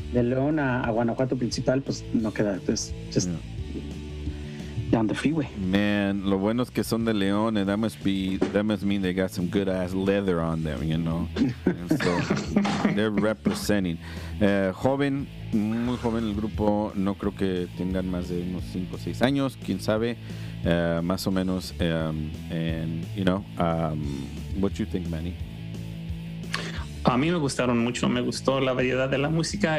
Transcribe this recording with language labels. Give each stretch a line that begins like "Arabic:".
Spanish: De León a Guanajuato principal, pues no queda.
English: Entonces, just. Yeah. Down the freeway. Man,
Spanish: lo bueno es que son de León,
English: and that must mean they got some good ass leather on them, you know. So they're representing.
Spanish: Joven, muy joven el grupo, no creo que tengan más de unos 5 o 6 años, quién sabe, más o menos.
English: And you know, what you think, Manny?
Spanish: A mí me gustaron mucho, me gustó la variedad de la música.